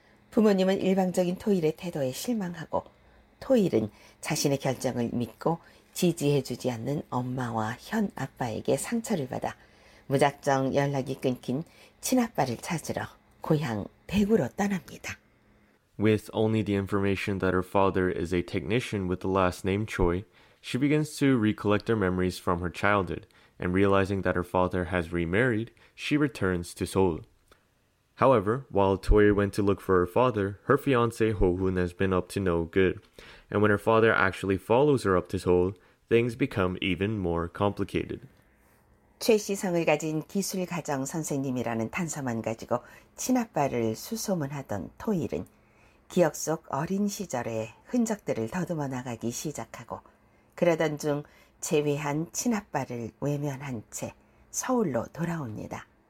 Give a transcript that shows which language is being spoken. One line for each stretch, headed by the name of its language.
Korean: 부모님은 일방적인 토일의 태도에 실망하고 토일은 자신의 결정을 믿고 지지해주지 않는 엄마와 현 아빠에게 상처를 받아 무작정 연락이 끊긴 친아빠를 찾으러 고향 대구로 떠납니다.
English: With only the information that her father is a technician with the last name Choi, she begins to recollect her memories from her childhood, and realizing that her father has remarried, she returns to Seoul. However, while Toil went to look for her father, her fiancé Ho-hun has been up to no good. And when her father actually follows her up to Seoul, things become even more complicated.
Korean: 최시성을 가진 기술가정 선생님이라는 탄서만 가지고 친아빠를 수소문하던 토일은 기억 속 어린 시절의 흔적들을 더듬어 나가기 시작하고 그러던 중 제외한 친아빠를 외면한 채 서울로 돌아옵니다.